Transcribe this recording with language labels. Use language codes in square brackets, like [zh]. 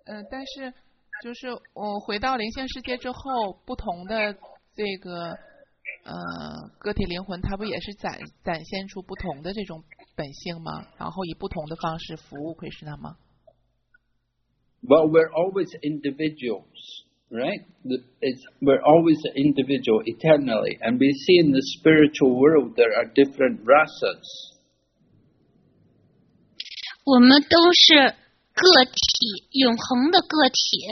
[zh] 但是就是我回到灵性世界之后，不同的这个个体灵魂，它不也是展现出不同的这种本性吗？然后以不同的方式服务奎师那吗 [en] ？Well, we're always individuals, right? We're always an individual eternally, and we see in the spiritual world there are different rasas. [zh] 我们都是个体，永恒的个体。